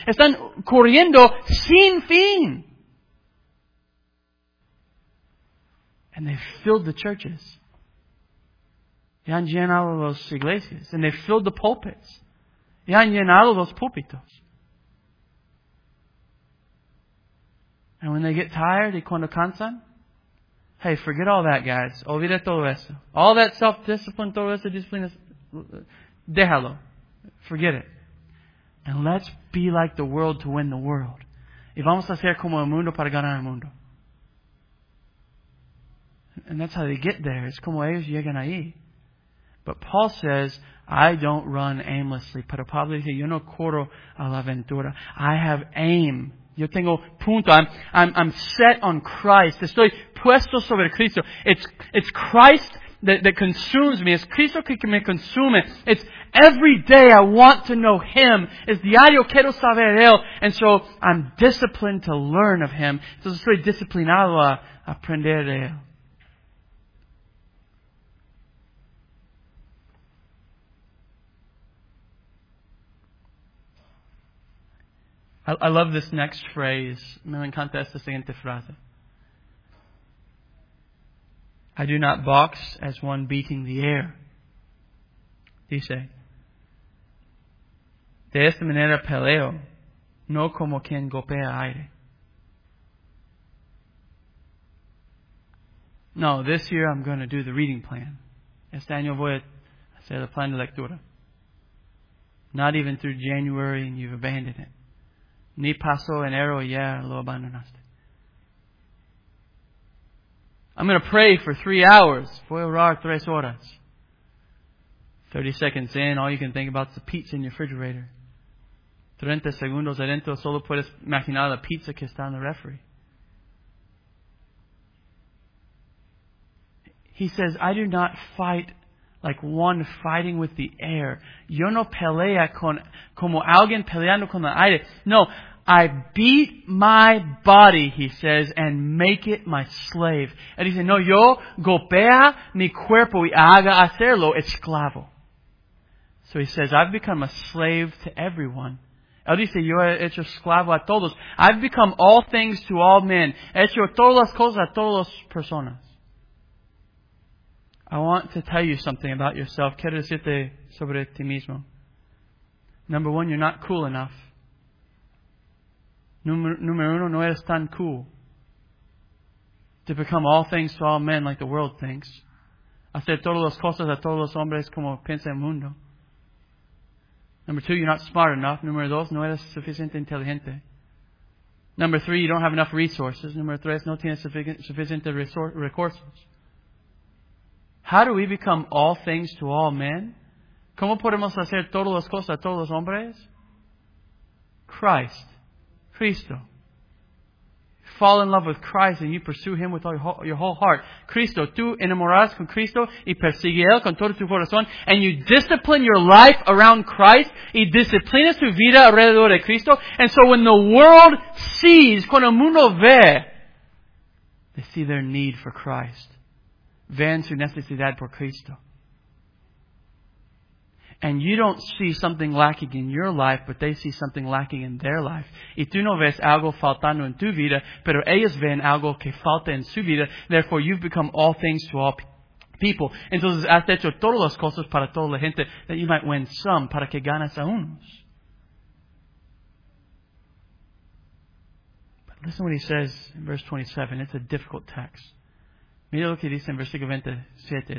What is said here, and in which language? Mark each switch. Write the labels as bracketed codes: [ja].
[es] Están corriendo sin fin. [en] And they filled the churches. [es] Y han llenado las iglesias. [en] And they filled the pulpits. [es] Y han llenado los púlpitos. [en] And when they get tired, [es] y cuando cansan, [en] hey, forget all that, guys. [es] Olvida todo eso. [en] All that self-discipline, [es] todo eso, disciplina, déjalo. [en] Forget it. And let's be like the world to win the world. [es] Y vamos a ser como el mundo para ganar el mundo. [en] And that's how they get there. [es] Es como ellos llegan ahí. [en] But Paul says, I don't run aimlessly. [es] Pero Pablo dice, yo no corro a la aventura. [en] I have aim. [es] Yo tengo punto. [en] I'm set on Christ. [es] Estoy puesto sobre Cristo. [en] It's Christ that consumes me. [es] Es Cristo que me consume. [en] It's every day I want to know Him. [es] Es diario quiero saber Él. [en] And so I'm disciplined to learn of Him. [es] Entonces estoy disciplinado a aprender de Él. [en] I love this next phrase. [es] Me encanta esta siguiente frase. [en] I do not box as one beating the air. [es] Dice, de esta manera peleo, no como quien golpea aire. [en] No, this year I'm going to do the reading plan. [es] Este año voy a hacer el plan de lectura. [en] Not even through January and you've abandoned it. [es] Ni paso enero ya lo abandonaste. [en] I'm going to pray for 3 hours. [es] Voy a orar 3 horas. [en] 30 seconds in, all you can think about is the pizza in your refrigerator. [es] 30 segundos adentro, solo puedes imaginar la pizza que está en el refri. [en] He says, I do not fight like one fighting with the air. [es] Yo no pelea con como alguien peleando con el aire. [en] No, I beat my body, he says, and make it my slave. [es] Él dice, no, yo golpea mi cuerpo y haga hacerlo esclavo. [en] So he says, I've become a slave to everyone. [es] Él dice, yo he hecho esclavo a todos. [en] I've become all things to all men. [es] He hecho todas las cosas a todas las personas. [en] I want to tell you something about yourself. [es] Quiero decirte sobre ti mismo. [en] Number one, you're not cool enough. [es] Número uno, no eres tan cool [en] to become all things to all men like the world thinks. [es] Hacer todas las cosas a todos los hombres como piensa el mundo. [en] Number two, you're not smart enough. [es] Número dos, no eres suficiente inteligente. [en] Number three, you don't have enough resources. [es] Número tres, no tienes suficiente recursos. [en] How do we become all things to all men? [es] ¿Cómo podemos hacer todas las cosas a todos los hombres? [en] Christ. Cristo. Fall in love with Christ and you pursue Him with all your whole heart. [es] Cristo, tú enamoras con Cristo y persigue Él con todo tu corazón. [en] And you discipline your life around Christ [es] y disciplinas tu vida alrededor de Cristo. [en] And so when the world sees, [es] cuando el mundo ve, [en] they see their need for Christ. [es] Ven su necesidad por Cristo. [en] And you don't see something lacking in your life, but they see something lacking in their life. [es] Y tú no ves algo faltando en tu vida, pero ellos ven algo que falta en su vida. [en] Therefore, you've become all things to all people. [es] Entonces, has hecho todas las cosas para toda la gente, [en] that you might win some, [es] para que ganes a unos. [en] But listen to what he says in verse 27. It's a difficult text. [es] Mira lo que dice en versículo 27.